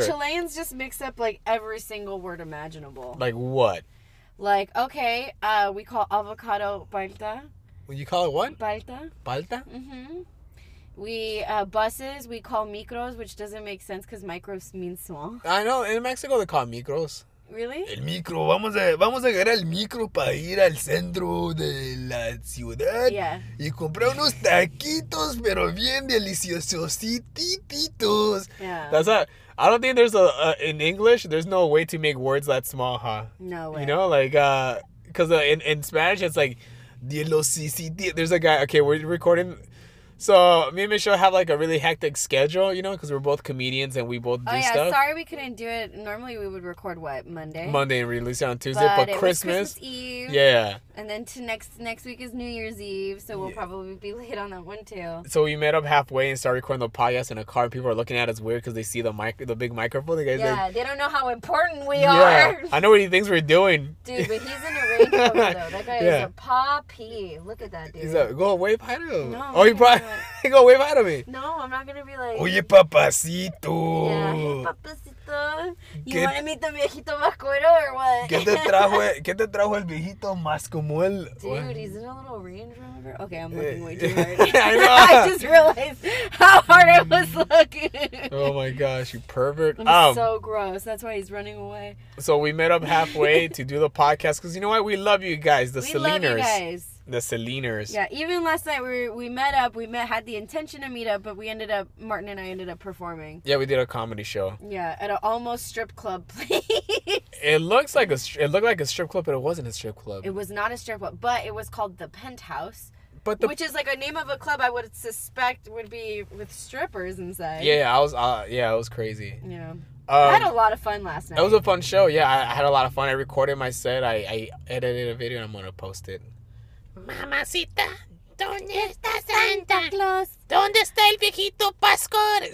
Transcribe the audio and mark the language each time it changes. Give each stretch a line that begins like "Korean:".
English: No, but Chileans just mix up like every single word imaginable. Like what? Like, okay, we call avocado palta. You call it what? Palta. Palta? Mm-hmm. We, buses, we call micros, which doesn't make sense because micros means small. I know. In Mexico, they call micros. Really?
Spanish: El micro. Vamos a agarrar el micro para ir al centro de la ciudad.
English: Yeah.
Spanish: Y comprar unos taquitos, pero bien deliciosititos.
English: Yeah. That's not... I don't think there's in English, there's no way to make words that small, huh? No way. You know, like, because in Spanish, it's like... There's a guy. Okay, we're recording. So me and Michelle have like a really hectic schedule, you know, because we're both comedians and we both do stuff. Sorry we couldn't do it. Normally we would record Monday and release it on Tuesday. But Christmas Eve. Yeah. And then next week is New Year's Eve, so we'll probably be late on that one too. So we met up halfway and started recording the podcast in a car. People are looking at us weird because they see the big microphone. Like, they don't know how important we are. I know what he thinks we're doing. Dude, but he's in a Range Rover though. That guy is a poppy. Look at that dude. He's go way behind him. No. Oh, he probably go way behind me. No, I'm not gonna be like.
Spanish: Oye, papacito.
English: Yeah, papacito. You wanna meet the
Spanish: viejito mascuero
English: or what?
Spanish: ¿Qué te trajo el viejito mascuero?
English: Dude, he's in a little Range Rover. Okay, I'm looking way too hard. I know. I just realized how hard I was looking. Oh my gosh, you pervert. I'm so gross. That's why he's running away. So we met up halfway to do the podcast. Because you know what? We love you guys, the Saliners. We love you guys. The Saliners. Yeah, even last night we met up. We met had the intention to meet up, but we ended up, Martin and I ended up performing. Yeah, we did a comedy show. Yeah, at an almost strip club place. It looked like a strip club, but it wasn't a strip club. It was not a strip club, but it was called The Penthouse, which is like a name of a club I would suspect would be with strippers inside. Yeah, it was crazy. Yeah. I had a lot of fun last night. It was a fun show, yeah. I had a lot of fun. I recorded my set. I edited a video, and I'm going to post it.
Spanish: Mamacita, ¿dónde está Santa Claus? ¿Dónde está el viejito Pascuero?